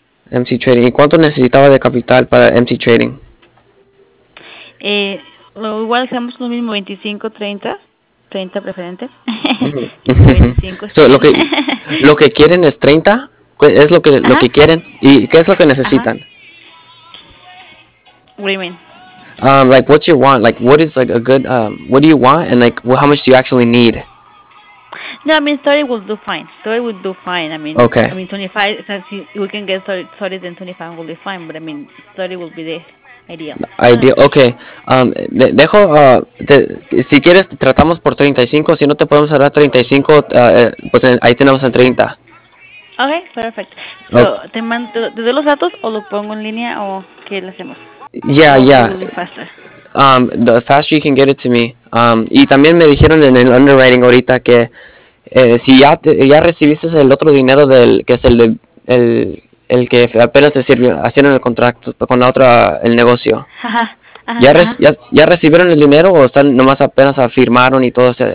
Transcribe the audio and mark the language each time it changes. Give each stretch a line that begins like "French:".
Spanish: MC Trading, ¿y cuánto necesitaba de capital para MC Trading? Igual hacemos lo mismo, 25, 30. 30 preferente. O
English: So,
Spanish: 25, está bien. lo que quieren es 30, es lo que quieren y qué es lo que necesitan.
English: What do you mean? Like what you want, like what is like a good what do you want and like how much do you actually need? No, I mean, 30 will do fine. 30 will do fine. I mean, 25, since we can get 30, then 25 will be fine. But I mean, 30 will be the ideal.
Spanish: Ideal, okay. Dejo, si quieres, tratamos por 35. Si no te podemos dar 35, pues ahí tenemos en 30. Okay, perfecto. So, te doy los datos o lo pongo en línea o qué le hacemos?
English: It will be faster. The faster you can get it to me.
Spanish: Y también me dijeron en el underwriting ahorita que si ya recibiste el otro dinero que es el de el que apenas te sirvió, hicieron el contrato con la otra, el negocio. Ajá, ¿Ya ajá. recibieron el dinero o están nomás apenas firmaron y todo se